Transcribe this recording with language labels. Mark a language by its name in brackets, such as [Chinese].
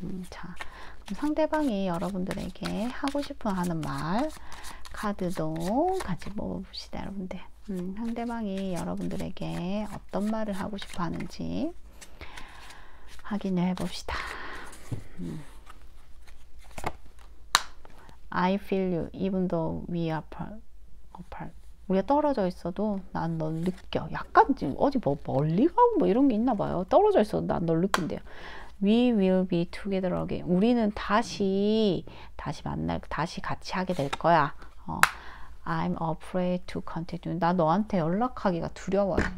[Korean] 자, 그럼 상대방이 여러분들에게 하고 싶어 하는 말 카드도 같이 뽑아봅시다, 여러분들. 상대방이 여러분들에게 어떤 말을 하고 싶어 하는지 확인해 봅시다. [English] I feel you, even though we are apart. [Korean] 우리가 떨어져 있어도 난널 느껴. 약간 지금 어디 뭐 멀리 가고 뭐 이런 게 있나 봐요. 떨어져 있어도 난널 느낀대요. [English] We will be together again. [Korean] 우리는 다시 만날, 다시 같이 하게 될 거야. [English] I'm afraid to contact you. [Korean] 나 너한테 연락하기가 두려워요.